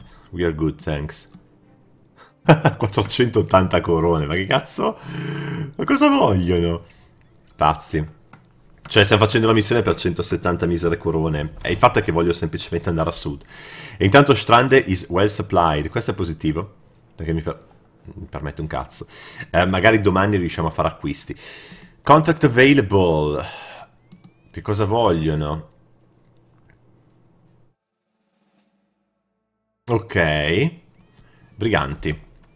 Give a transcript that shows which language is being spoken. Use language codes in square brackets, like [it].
[en] We are good, thanks. [it] 480 corone, ma che cazzo? Ma cosa vogliono? Pazzi. Cioè, stiamo facendo la missione per 170 misere corone. E il fatto è che voglio semplicemente andare a sud. E intanto [en] Strande is well supplied. [it] Questo è positivo. Perché mi permette un cazzo. Magari domani riusciamo a fare acquisti. [en] Contract available. [it] Che cosa vogliono? Ok. Briganti.